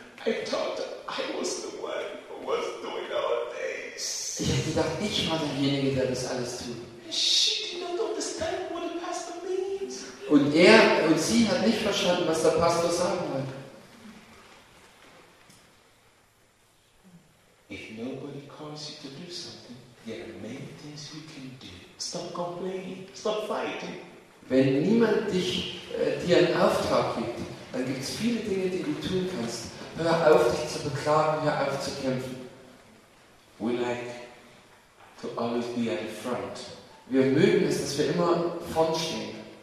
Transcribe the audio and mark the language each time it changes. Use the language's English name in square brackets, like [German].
[English] I thought I was the one who was doing all this. [German] Ich habe gedacht, ich war derjenige, der das alles tut. [English] She did not understand what the pastor means. [German] Und er und sie hat nicht verstanden, was der Pastor sagen wollte. [English] If nobody calls you to do something, there are many things you can do. Stop complaining. Stop fighting. [German] Wenn niemand dir einen Auftrag gibt, dann gibt es viele Dinge, die du tun kannst. Hör auf, dich zu beklagen. Hör auf, zu kämpfen. [English] We like to always be at the front. [German] Wir mögen es, dass wir immer vorn stehen.